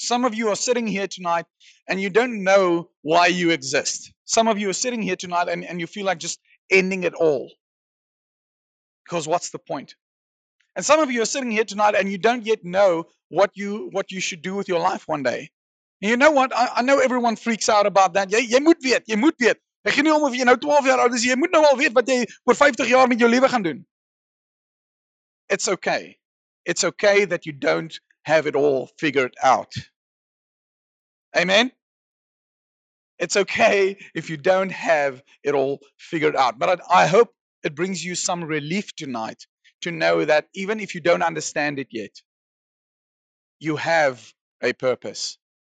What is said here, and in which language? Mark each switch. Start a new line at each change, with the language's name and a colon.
English: Some of you are sitting here tonight and you don't know why you exist. Some of you are sitting here tonight and you feel like just ending it all. Because what's the point? And some of you are sitting here tonight and you don't yet know what you should do with your life one day. And you know what? I know everyone freaks out about that.
Afrikaans: Jy moet weet, jy moet weet. Ek gee nie om of jy nou 12 jaar oud is, jy moet nou al weet wat jy oor 50 jaar met jou lewe gaan doen.
English: It's okay. It's okay that you don't have it all figured out. Amen? It's okay if you don't have it all figured out. But I hope it brings you some relief tonight to know that even if you don't understand it yet, you have a purpose.